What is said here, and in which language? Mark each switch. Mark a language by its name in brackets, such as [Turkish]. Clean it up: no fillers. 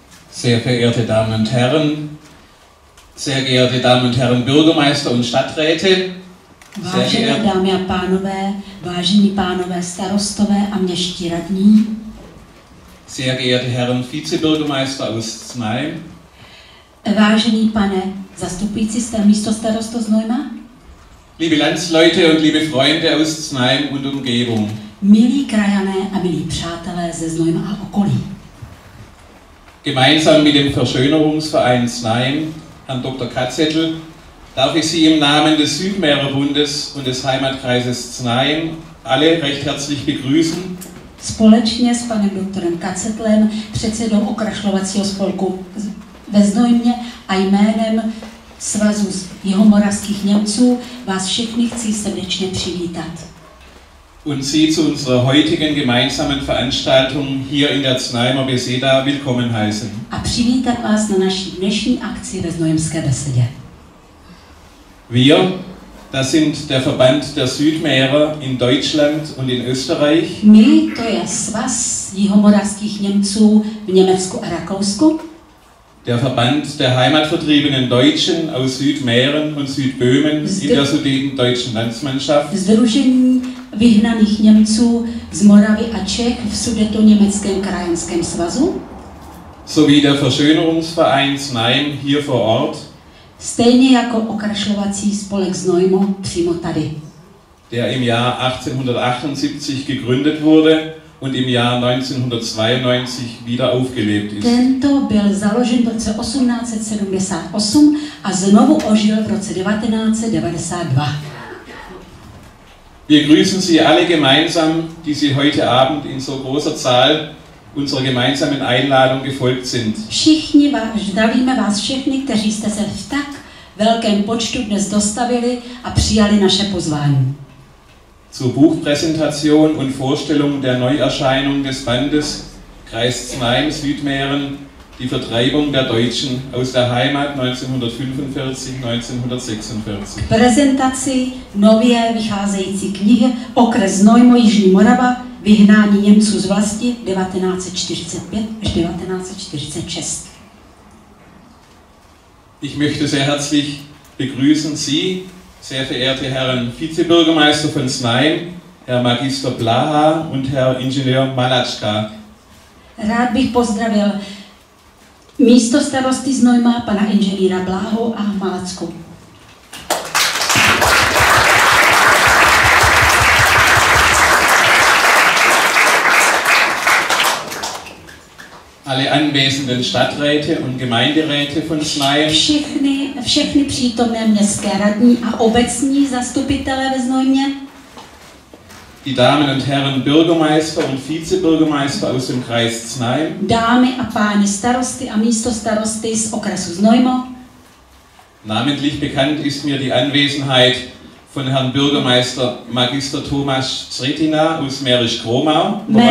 [German] Sehr verehrte Damen und Herren, sehr geehrte Damen und Herren Bürgermeister und Stadträte, [Czech] vážené dámy a pánové, vážení pánové starostové a městští radní, [German] sehr geehrte Herren Vizebürgermeister aus Znojma, [Czech] vážený pane zastupující místostarostu Znojma, [German] liebe Landsleute und liebe Freunde aus Znojma und Umgebung, [Czech] milí krajané a milí přátelé ze Znojma a okolí. [German] Gemeinsam mit dem Verschönerungsverein Znojma, Herrn Dr. Katzettl, darf ich Sie im Namen des Südmeerbundes und des Heimatkreises Znojma alle recht herzlich begrüßen. [Czech] Společně s panem doktorem Katzettlem, předsedou okrašlovacího spolku ve Znojmě a jménem Svazu jihomoravských Němců vás všechny chci srdečně přivítat. [German] Und Sie zu unserer heutigen gemeinsamen Veranstaltung hier in der Znojmer Beseda willkommen heißen. [Czech] A přivítat vás na naší dnešní akci ve Znojmské besedě. [German] Wir, das sind der Verband der Südmeerer in Deutschland und in Österreich. [Czech] My, to je Svaz jihomoravských Němců v Německu a Rakousku. [German] Der Verband der heimatvertriebenen Deutschen aus Südmähren und Südböhmen in der sudetendeutschen Landsmannschaft. [Czech] Združení vyhnaných Němců z Moravy a Čech v sudetoněmeckém krajanském svazu. [German] Sowie der Verschönerungsverein Znojma hier vor Ort. [Czech] Stejně jako okrašlovací spolek Znojmo přímo tady. [German] Der im Jahr 1878 gegründet wurde und im Jahr 1992 wieder aufgelebt ist. [Czech] Tento byl založen v roce 1878 a znovu ožil v roce 1992. [German] Wir grüßen Sie alle gemeinsam, die Sie heute Abend in so großer Zahl unserer gemeinsamen Einladung gefolgt sind. [Czech] Všichni vás, zdravíme vás všechny, kteří jste se v tak velkém počtu dnes dostavili a přijali naše pozvání. [German] Zur Buchpräsentation und Vorstellung der Neuerscheinung des Bandes Kreis Znojma Südmähren, die Vertreibung der Deutschen aus der Heimat 1945-1946. [Czech] K prezentaci nově vycházející knihy Okres Znojmo Jižní Morava, vyhnání Němců z vlasti 1945-1946. [German] Ich möchte sehr herzlich begrüßen Sie, sehr verehrte Herren Vizebürgermeister von Znojma, Herr Magister Blaha und Herr Ingenieur Malačka. [Czech] Rád bych pozdravil místostarosty Znojma, pana inženýra Bláhu a Malacku. [German] Alle anwesenden Stadträte und Gemeinderäte von Znojma. [Czech] Všechny přítomné městské radní a obecní zastupitelé ve Znojmě. [German] Die Damen und Herren Bürgermeister und Vizebürgermeister aus dem Kreis Znojma. [Czech] Dámy a páni starosty a místostarosty z okresu Znojmo. [German] Namentlich bekannt ist mir die Anwesenheit von Herrn Bürgermeister Magister Tomáš Třetina aus Mährisch Kromau.